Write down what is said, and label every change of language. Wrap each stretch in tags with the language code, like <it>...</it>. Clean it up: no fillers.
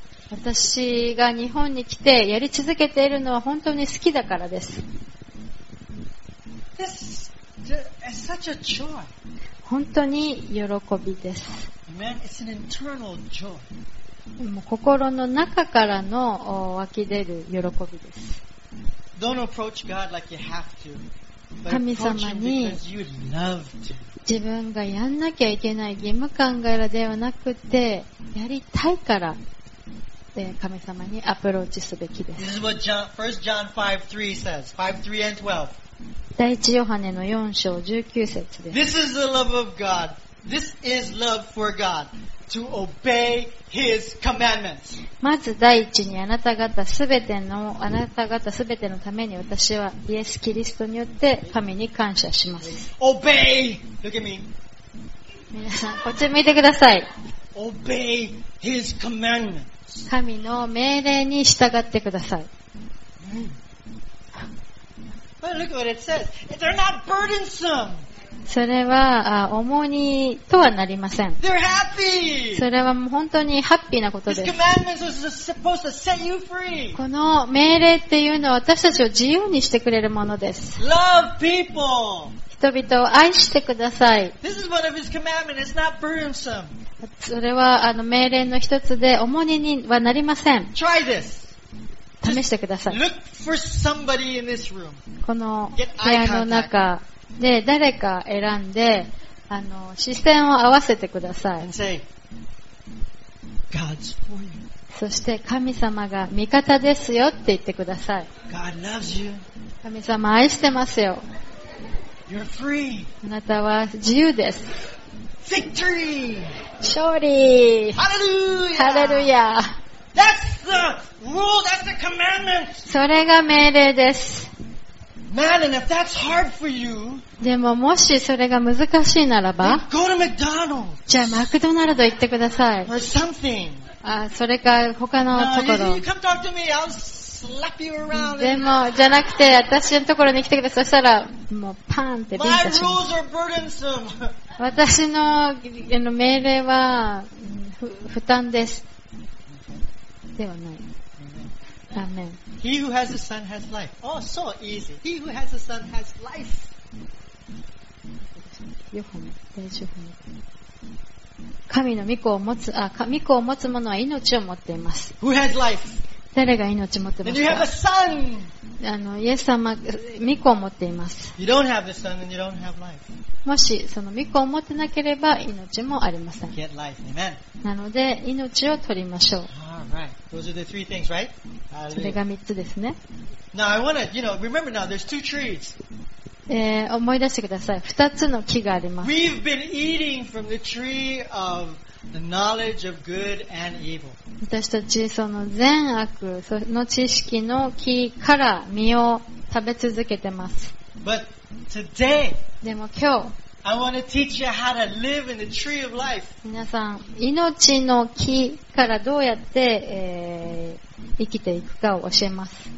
<ja>私が日本に来てやり続けているのは本当に好きだからです。</ja> <en>This is such a joy.</en> <ja>本当に喜びです。</ja> <en>Amen. It's an internal joy.</en> <ja>もう心の中からの湧き出る喜びです。</ja> <en>Don't approach God like you have to, but approach Him because you love to.</en> <ja>自分がやんなきゃいけない義務感からではなくて、やりたいから神様にアプローチすべきです。</ja> <en>This is what First John 5:3 says. 5:3 and 12.</en> <ja>第一ヨハネの4章19節です。</ja> <en>This is the love of God. This is love for God. To obey His commandments.</en> <ja>まず第一に、あなた方すべてのために私はイエス・キリストによって神に感謝します。</ja> <en>Obey. Look at me.</en> <ja>皆さんこっち見てください。</ja> <en>Obey His commandments.</en> <ja>神の命令に従ってください。</ja> <en>Well, look at what it says. They're not burdensome.</en> <ja>それは重荷とはなりません。</ja> <en>They're happy.</en> <ja>それはもう本当にハッピーなことです。</ja> <en>His commandments was supposed to set you free.</en> <ja>この命令っていうのは私たちを自由にしてくれるものです。</ja> <en>Love people.</en> <ja>人々を愛してください。</ja> <en>This is one of his commandments. It's not burdensome.</en> <ja>それは命令の一つで重荷にはなりません。</ja> <en>Try this.</en> <ja>試してください。</ja> <en>Look for somebody in this room.</en> <ja>この部屋の中で誰か選んで視線を合わせてください。</ja> <en>God's for you.</en> <ja>そして神様が味方ですよって言ってください。</ja> <en>God loves you.</en> <ja>神様愛してますよ。</ja> <en>You're free.</en> <ja>あなたは自由です。</ja> <en>Victory.</en> <ja>勝利。</ja> <en>Hallelujah. Hallelujah. That's the rule. That's the commandment.</en> <ja>それが命令です。</ja> <en>Man, and if that's hard for you,</en> <ja>でももしそれが難しいならば、</ja> <en>go to McDonald's.</en> <ja>じゃあマクドナルド行ってください。</ja> <en>Or something.</en> <ja>あ、それか他のところ。</ja> <en>No, you come talk to me. I'll slap you around.</en> <ja>でもじゃなくて私のところに来てください。そしたらもうパンってビンタします。</ja> <en>My rules are burdensome.</en> <ja>私の命令は負担です。ではない。Amen.</ja> <en>He who has a son has life. Oh, so easy. He who has a son has life.</en> <ja>ヨハネ、第一ヨハネ。神の御子を持つ、御子を持つ者は命を持っています。</ja> <en>Who has life?</en> <ja>誰が命を持っていますか?</ja> <en>Then you have a son.</en> <ja>あのイエス様、御子を持っています。</ja> <en>you don't have the son, then you don't have life.</en> <ja>もしその御子を持ってなければ命もありません。</ja> <en>Get life. Amen.</en> <ja>なので命を取りましょう。</ja> <en>All right. Those are the three things, right?</en> <ja>それが3つですね。</ja> <en>Now I wanna, you know, remember now, there's two trees.</en> <ja>思い出してください。2つの木があります。</ja> <en>We've been eating from the tree ofThe knowledge of good and evil.</en> <ja>私たちその善悪の知識の木から実を食べ続けてます。</ja> <en>But today,</en> <ja>でも今日、</ja> <en>I want to teach you how to live in the tree of life.</en> <ja>皆さん、命の木からどうやって、生きていくかを教えます。</ja>